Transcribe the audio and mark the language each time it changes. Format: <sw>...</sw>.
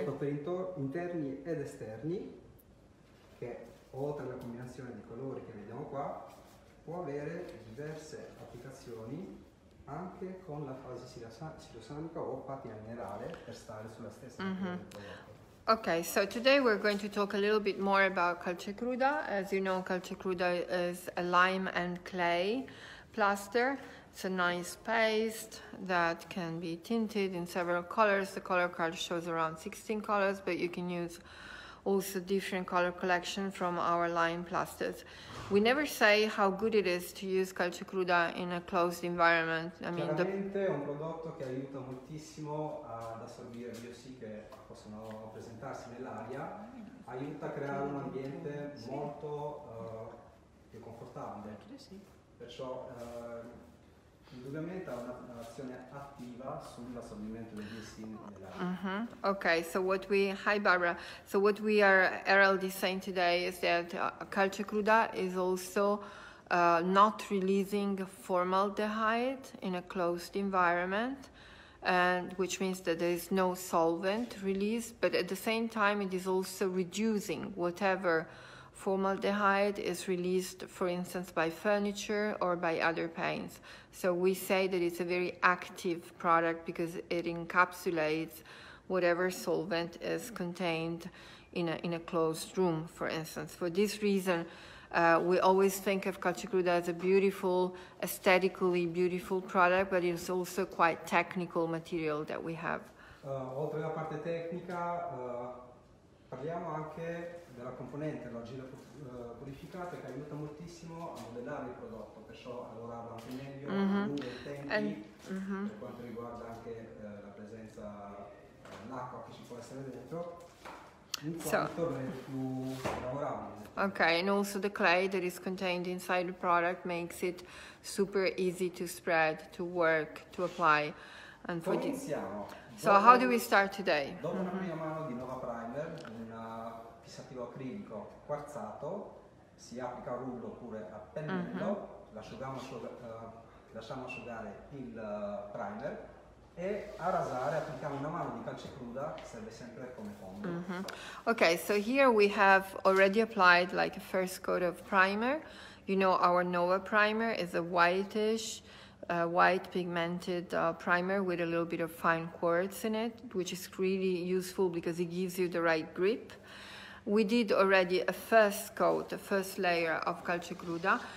<it>Un prodotto per interni ed esterni che, oltre alla combinazione di colori che vediamo qua, può avere diverse applicazioni anche con la fase siliosamica o patina minerale per stare sulla stessa linea del prodotto.</it> <en>Okay, so today we're going to talk a little bit more about CalceCruda. As you know, CalceCruda is a lime and clay plaster. It's a nice paste that can be tinted in several colors. The color card shows around 16 colors, but you can use also different color collection from our lime plasters. We never say how good it is to use CalceCruda in a closed environment.</en> <it>Chiaramente è un prodotto che aiuta moltissimo ad assorbire gli ossi che possono presentarsi nell'aria. Aiuta a creare un ambiente molto più confortabile. Perciò indubbiamente ha un'azione attiva sull'assorbimento degli ossi nell'aria.</it> <en>Mm-hmm. Okay, so what we... Hi Barbara. So what we are, Harold is saying today is that CalceCruda is also not releasing formaldehyde in a closed environment, and which means that there is no solvent release, but at the same time it is also reducing whatever formaldehyde is released, for instance, by furniture or by other paints. So we say that it's a very active product because it encapsulates whatever solvent is contained in a closed room, for instance. For this reason, we always think of CalceCruda as a beautiful, aesthetically beautiful product, but it's also quite technical material that we have.</en> <it>Oltre alla parte tecnica, parliamo anche della componente, l'argilla purificata, che aiuta moltissimo a modellare il prodotto, perciò a lavorarlo anche meglio, per quanto riguarda anche la presenza dell'acqua che ci può essere dentro, più lavorabile.</it> <en>Okay, and also the clay that is contained inside the product makes it super easy to spread, to work, to apply. And for</en> <it>iniziamo?</it> <en>So how do we start today?</en> <it>Dopo una prima mano di Nova Primer, un fissativo acrilico quarzato, si applica a rullo oppure a pennello, lasciamo asciugare il primer e a rasare applichiamo una mano di calce cruda che serve sempre come fondo.</it> <en>Okay, so here we have already applied like a first coat of primer. You know our Nova Primer is a whitish, a white pigmented primer with a little bit of fine quartz in it, which is really useful because it gives you the right grip. We did already a first coat, a first layer of CalceCruda.</en>